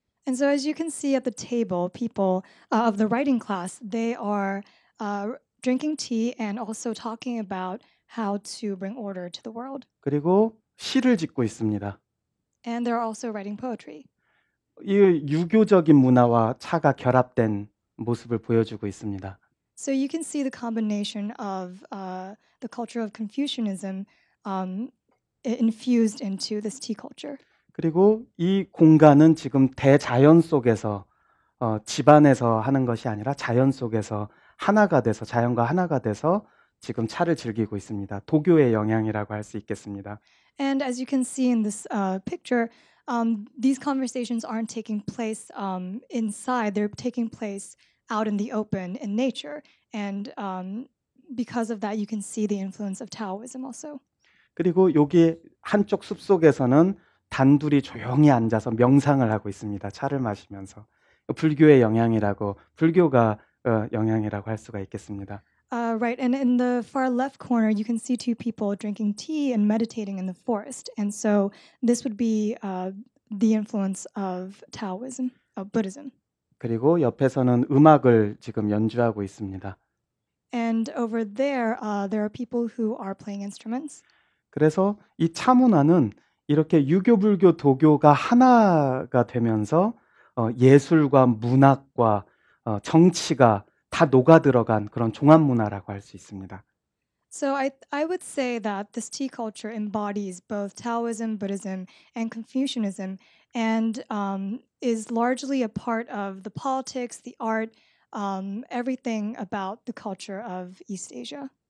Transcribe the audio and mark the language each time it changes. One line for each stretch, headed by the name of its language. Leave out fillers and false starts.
English: And so, as you can see at the table, people of the writing class, they are drinking tea and also talking about how to bring order to the world.
Korean: 그리고 시를 짓고 있습니다.
English: And they're also writing poetry.
Korean: 이 유교적인 문화와 차가 결합된 모습을 보여주고 있습니다.
English: So you can see the combination of the culture of Confucianism infused into this tea culture.
Korean: 그리고 이 공간은 지금 대자연 속에서 집안에서 하는 것이 아니라 자연 속에서 하나가 돼서 자연과 하나가 돼서 지금 차를 즐기고 있습니다. 도교의 영향이라고 할 수 있겠습니다.
English: And as you can see in this picture, these conversations aren't taking place inside. They're taking place out in the open in nature. And because of that, you can see the influence of Taoism also.
Korean: 그리고 여기 한쪽 숲 속에서는 단둘이 조용히 앉아서 명상을 하고 있습니다. 차를 마시면서 불교의 영향이라고 불교가 영향이라고 할 수가 있겠습니다.
English: Right, and in the far left corner, you can see two people drinking tea and meditating in the forest. And so this would be the influence of Taoism, of Buddhism.
Korean: 그리고 옆에서는 음악을 지금 연주하고 있습니다.
English: And over there, there are people who are playing instruments.
Korean: 그래서 이 차 문화는 이렇게 유교, 불교, 도교가 하나가 되면서 예술과 문학과 정치가 다 녹아 들어간 그런 종합 문화라고 할 수 있습니다.
English: So I would say that this tea culture embodies both Taoism, Buddhism, and Confucianism, and is largely a part of the politics, the art, everything about the culture of East Asia.